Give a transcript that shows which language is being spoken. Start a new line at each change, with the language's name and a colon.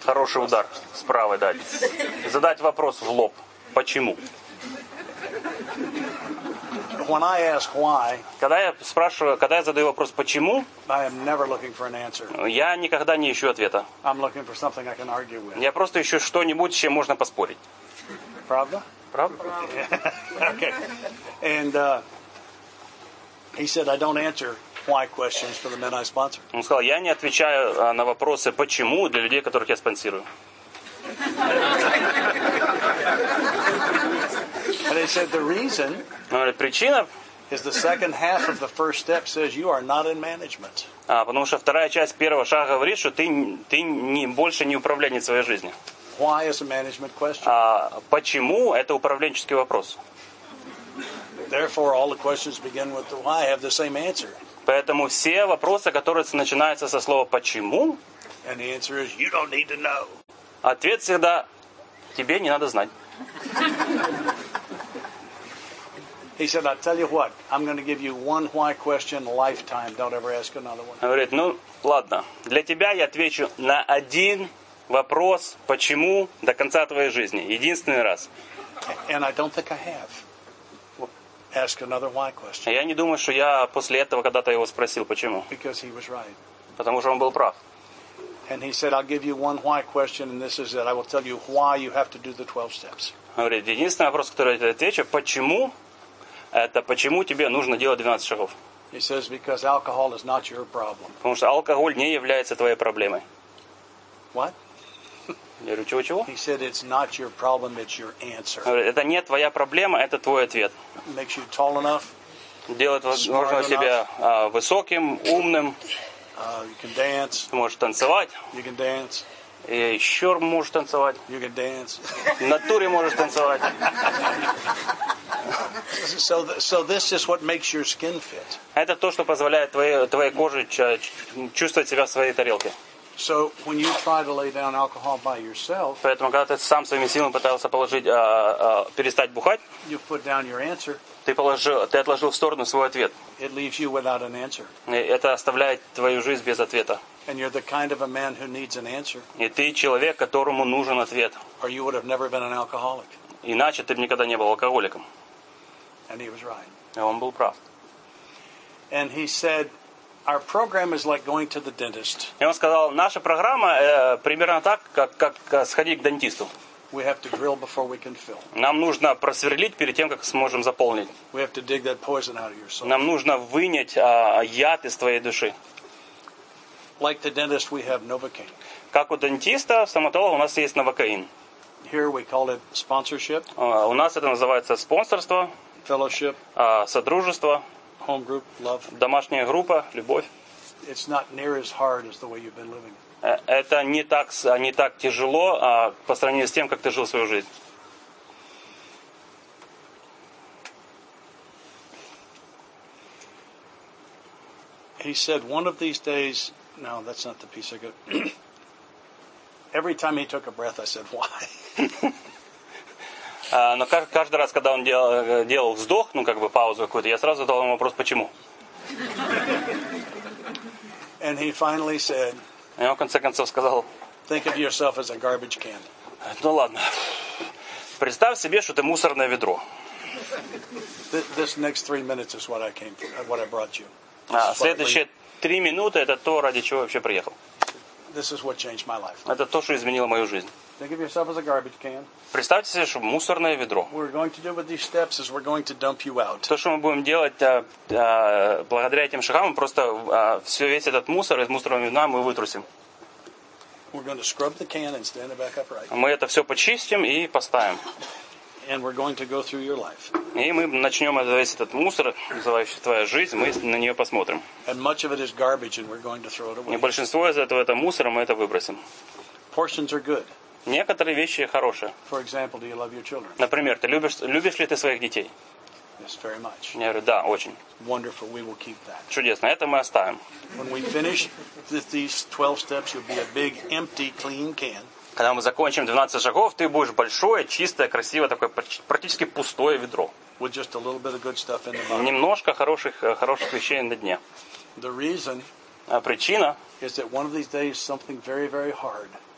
Russian: хороший удар справа дать. Задать вопрос в лоб. Почему?
English: When I ask why,
Russian: когда я спрашиваю, когда я задаю вопрос почему,
English: I am never looking for an answer.
Russian: Я никогда не ищу ответа.
English: I'm looking for something I can argue with.
Russian: Я просто ищу что-нибудь, с чем можно поспорить. Правда? Правда?
English: Okay. And he said, I don't answer why questions for the men I sponsor.
Russian: Он сказал, я не отвечаю на вопросы почему для людей, которых я спонсирую.
English: And he said the reason.
Russian: Говорит, причина.
English: Is the second half of the first step says you are not in management.
Russian: А потому что вторая часть первого шага говорит, что ты не больше не управленец своей жизни.
English: Why is a management question?
Russian: А почему это управленческий вопрос?
English: Therefore, all the questions begin with the why. I have the same answer.
Russian: Поэтому все вопросы, которые начинаются со слова почему,
English: and the answer is you don't need to know.
Russian: Ответ всегда тебе не надо знать.
English: He said, I'll tell you what. I'm going to give you one why question lifetime. Don't ever ask another one.
Russian: Говорит, ну ладно, для тебя я отвечу на один вопрос почему до конца твоей жизни, единственный раз.
English: And I don't think I have. Ask another why question.
Russian: Я не думаю, что я после этого когда-то его спросил, почему.
English: Because he was right.
Russian: Потому что он был прав.
English: And he said, I'll give you one why question, and this is it. I will tell you why you have to do the 12 steps.
Russian: Говорит, единственный вопрос, который я отвечу, почему, это почему тебе нужно делать 12 шагов.
English: He says, because alcohol is not your problem.
Russian: Потому что алкоголь не является твоей проблемой.
English: What?
Russian: Я говорю, чего?
English: He said, it's not your problem, it's your answer.
Russian: Говорит, это не твоя проблема, это твой ответ.
English: Makes you tall enough,
Russian: делает возможно себя высоким, умным.
English: You can dance.
Russian: Ты можешь танцевать.
English: You can dance.
Russian: И еще можешь танцевать.
English: You can dance.
Russian: В натуре можешь танцевать.
English: So this is what makes your skin fit.
Russian: Это то, что позволяет твоей коже чувствовать себя в своей тарелке.
English: So when you try to lay down alcohol by yourself,
Russian: поэтому когда ты сам своими силами пытался положить перестать бухать,
English: you put down your answer.
Russian: Ты отложил в сторону свой ответ.
English: It leaves you without an answer.
Russian: Это оставляет твою жизнь без ответа.
English: And you're the kind of a man who needs an answer.
Russian: И ты человек, которому нужен ответ.
English: Or you would have never been an alcoholic.
Russian: Иначе ты бы никогда не был алкоголиком.
English: And he was right.
Russian: И он был прав.
English: And he said. Our program is like going to the dentist.
Russian: И он сказал, наша программа примерно так, как сходить к дантисту.
English: We have to drill before we can fill.
Russian: Нам нужно просверлить перед тем, как сможем заполнить.
English: We have to dig that poison out of your soul.
Russian: Нам нужно вынять яд из твоей души.
English: Like the dentist, we have Novocaine.
Russian: Как у дантиста, стоматолога, у нас есть Новокаин.
English: Here we call it sponsorship.
Russian: У нас это называется спонсорство.
English: Fellowship.
Russian: Содружество.
English: Home group, love.
Russian: Домашняя группа, любовь.
English: It's not near as hard as the way you've been living.
Russian: Это не так тяжело, а по сравнению с тем, как ты жил свою жизнь.
English: He said, one of these days. No, that's not the piece I got. Every time he took a breath, I said, why?
Russian: Но каждый раз, когда он делал вздох, ну, как бы паузу какую-то, я сразу задал ему вопрос, почему?
English: And he finally said,
Russian: и он в конце концов сказал,
English: think of yourself as a garbage can.
Russian: Ну ладно. Представь себе, что ты мусорное ведро.
English: This next 3 minutes is what I came for, what I brought you.
Russian: Следующие 3 минуты – это то, ради чего я вообще приехал.
English: This is what changed my life.
Russian: Это то, что изменило мою жизнь.
English: Think of yourself as a garbage can.
Russian: Представьте себе, что мусорное ведро.
English: What we're going to do with these steps is we're going to dump you out.
Russian: То, что мы будем делать благодаря этим шагам, мы просто весь этот мусор из мусорного ведра мы вытрусим.
English: We're going to scrub the can and stand it back upright.
Russian: Мы это все почистим и поставим.
English: And we're going to go through your life.
Russian: И мы начнем весь этот мусор, называющий твоя жизнь, мы на нее посмотрим.
English: And much of it is garbage, and we're going to throw it away.
Russian: И большинство из этого это мусор, мы это выбросим.
English: Portions are good.
Russian: Некоторые вещи хорошие.
English: For example, do you love your children?
Russian: Например, ты любишь ли ты своих детей?
English: Yes, very much.
Russian: Я говорю, да, очень.
English: Wonderful. We will keep that.
Russian: Чудесно, это мы оставим.
English: When we finish these 12 steps, you'll be a big, empty, clean can.
Russian: Когда мы закончим 12 шагов, ты будешь большое, чистое, красивое, такое практически пустое ведро.
English: With just a little bit of good stuff in the bottom.
Russian: Немножко хороших вещей на дне.
English: The reason.
Russian: А причина?
English: Is that one of these days something very, very hard.